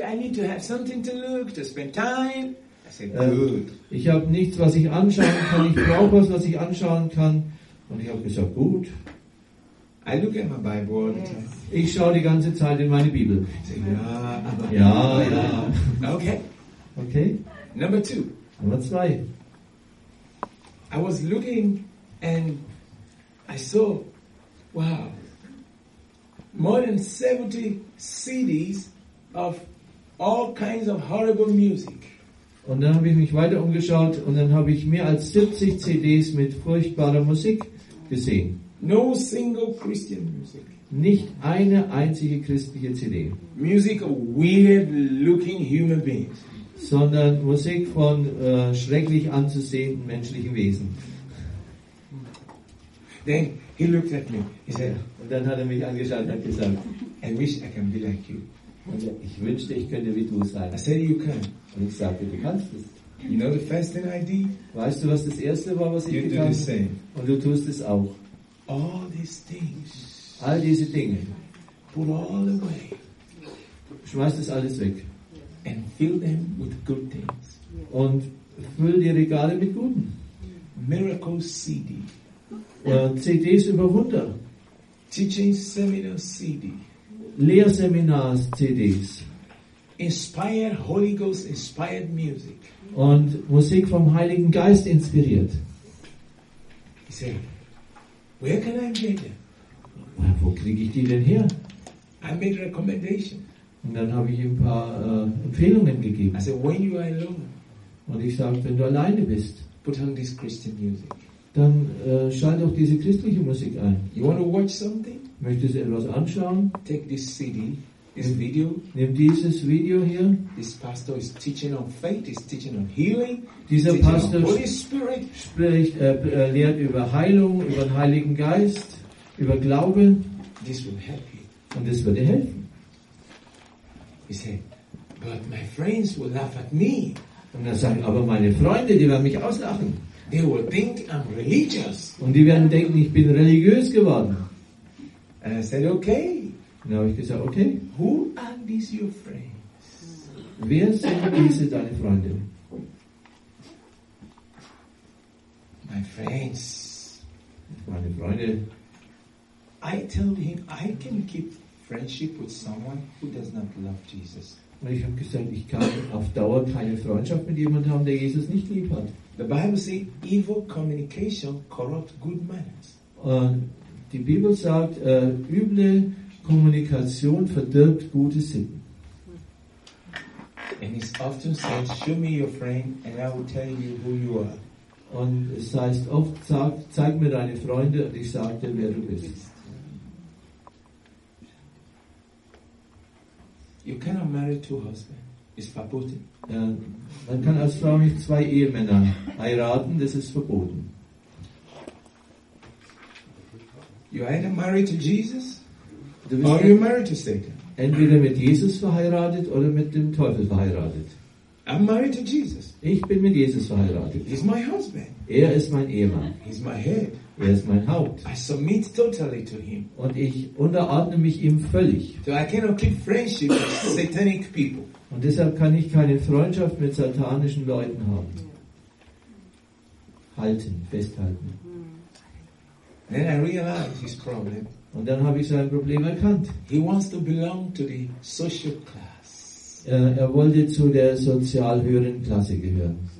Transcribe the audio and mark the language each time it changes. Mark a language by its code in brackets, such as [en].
[en] I need to have something to look to spend time. [de] Ich habe nichts, was ich anschauen kann. Ich brauche was ich anschauen kann. Und ich habe gesagt, gut. [en] I look at my Bible all the time. [de] Ich schaue die ganze Zeit in meine Bibel. Ja. Okay. [en] Number 2. I was looking and I saw, wow, more than 70 CDs of all kinds of horrible music. [de] Und dann habe ich mich weiter umgeschaut und dann habe ich mehr als 70 CDs mit furchtbarer Musik gesehen. [en] No single Christian music. [de] Nicht eine einzige christliche CD. [en] Music of weird looking human beings. [de] Sondern Musik von schrecklich anzusehenden menschlichen Wesen. [en] Then he looked at me. He said, [de] und dann hat er mich angeschaut und hat gesagt, [en] I wish I can be like you. [de] Und ich wünschte, ich könnte wie du sein. [en] I said, you can. [de] Und ich sagte, du kannst es. [en] You know the first thing I did? [de] Weißt du, was das Erste war, was ich [en] you [de] getan habe? [en] Do the same. [de] Und du tust es auch. [en] All these things. [de] All diese Dinge. [en] Put all away. [de] Schmeiß das alles weg. [en] And fill them with good things. [de] Und füll die Regale mit guten. [en] Miracle CD. [de] CDs über Wunder. [en] Teaching Seminar CD. [de] Lehrseminars, CDs. [en] Inspired Holy Ghost inspired music. [de] Und Musik vom Heiligen Geist inspiriert. [en] He said, where can I get them? [de] Wo kriege ich die denn her? [en] I made recommendation. [de] Und dann habe ich ihm ein paar Empfehlungen gegeben. [en] I said, when you are alone. [de] Und ich sage, wenn du alleine bist, [en] put on this Christian music. [de] Dann schalt auch diese christliche Musik ein. [en] You want to watch something? [de] Möchtest du etwas anschauen? [en] Take this CD, this video. [de] Nimm dieses Video hier. [en] This pastor is teaching on faith, is teaching on healing. [de] Dieser Pastor [en] Holy Spirit. [de] Lehrt über Heilung, über den Heiligen Geist, über Glaube. [en] This will help you. [de] Und das wird dir helfen. [en] He said, but my friends will laugh at me. [de] Und er sagt, aber meine Freunde, die werden mich auslachen. [en] They will think I'm religious. [de] Und die werden denken, ich bin religiös geworden. [en] And I said, okay. [de] Und dann habe ich gesagt, okay. [en] Who are these your friends? [de] Wer sind diese deine Freunde? [en] My friends. [de] Meine Freunde. [en] I told him, I can keep friendship with someone who does not love Jesus. [de] Und ich habe gesagt, ich kann auf Dauer keine Freundschaft mit jemandem haben, der Jesus nicht lieb hat. [en] The Bible says, evil communication corrupts good manners. [de] Die Bibel sagt, üble Kommunikation verdirbt gute Sitten. [en] And it's often said, show me your friend and I will tell you who you are. [de] Und es heißt oft, zeig mir deine Freunde und ich sage dir, wer du bist. [en] You cannot marry two husbands. It's verboten. [de] Man kann als Frau nicht zwei Ehemänner heiraten, das ist verboten. [en] You either married to Jesus, or you married to Satan. [de] Entweder mit Jesus verheiratet oder mit dem Teufel verheiratet. [en] I'm married to Jesus. [de] Ich bin mit Jesus verheiratet. [en] He's my husband. [de] Er ist mein Ehemann. [en] He's my head. [de] Er ist mein Haupt. [en] I submit totally to him. [de] Und ich unterordne mich ihm völlig. [en] So I cannot keep friendship with satanic people. [de] Und deshalb kann ich keine Freundschaft mit satanischen Leuten haben. Halten, festhalten. [en] Then I realized his problem. [de] Und dann habe ich sein Problem erkannt. [en] He wants to belong to the social class. [de] Er wollte zu der sozial höheren Klasse gehören.